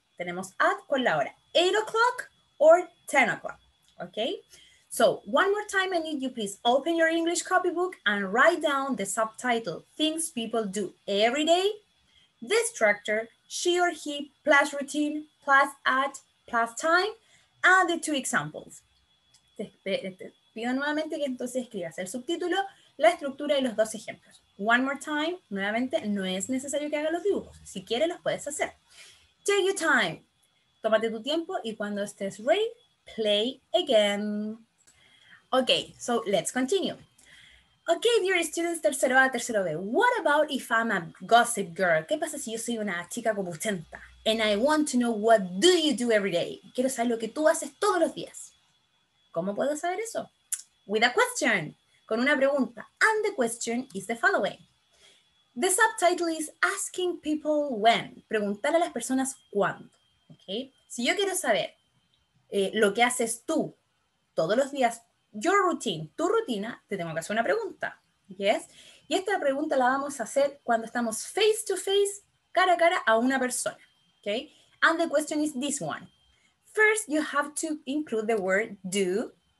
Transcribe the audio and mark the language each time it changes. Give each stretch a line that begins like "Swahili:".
Spanish: Tenemos at con la hora.
English: 8 o'clock or 10 o'clock.
Spanish: Okay?
English: So, one more time, I need you please open your English copybook and write down the subtitle, Things People Do Every Day. This structure, she or he plus routine plus at plus time, and the two examples.
Spanish: Te pido nuevamente que entonces escribas el subtítulo, la estructura y los dos ejemplos.
English: One more time,
Spanish: nuevamente, no es necesario que hagas los dibujos. Si quieres, los puedes hacer.
English: Take your time.
Spanish: Tómate tu tiempo y cuando estés ready, play again.
English: Okay, so let's continue. Okay, dear students, tercero A, tercero B. What about if I'm a gossip girl?
Spanish: ¿Qué pasa si yo soy una chica comuchenta?
English: And I want to know what do you do every day.
Spanish: Quiero saber lo que tú haces todos los días. ¿Cómo puedo saber eso?
English: With a question.
Spanish: Con una pregunta.
English: And the question is the following. The subtitle is asking people when.
Spanish: Preguntar a las personas cuándo. Okay? Si yo quiero saber lo que haces tú todos los días,
English: your routine,
Spanish: tu rutina, te tengo que hacer una pregunta. Yes? Y esta pregunta la vamos a hacer cuando estamos
English: face to face,
Spanish: cara a cara a una persona.
English: Okay? And the question is this one. First, you have to include the word do.